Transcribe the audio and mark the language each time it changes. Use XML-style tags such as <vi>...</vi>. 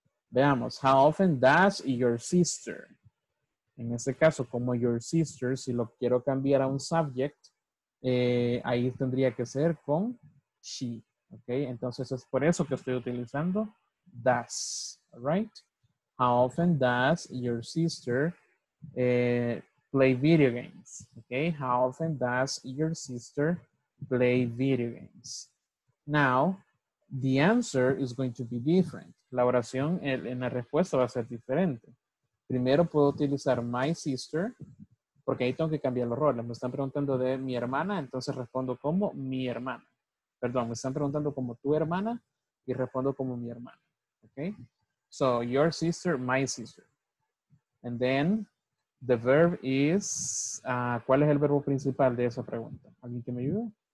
<es>Veamos,</es> <en>how often does your sister?</en> <es>En este caso, como your sister, si lo quiero cambiar a un subject, ahí tendría que ser con she. Okay? Entonces, es por eso que estoy utilizando does.</es> <en>Right? How often does your sister play video games? Okay? How often does your sister play video games? Now, the answer is going to be different.</en> <es>La oración en la respuesta va a ser diferente. Primero puedo utilizar my sister, porque ahí tengo que cambiar los roles. Me están preguntando de mi hermana, entonces respondo como mi hermana. Perdón, me están preguntando como tu hermana y respondo como mi hermana.</es> <en>Okay? So, your sister, my sister. And then, the verb is,</en> <es>¿cuál es el verbo principal de esa pregunta? ¿Alguien que me ayude?</es>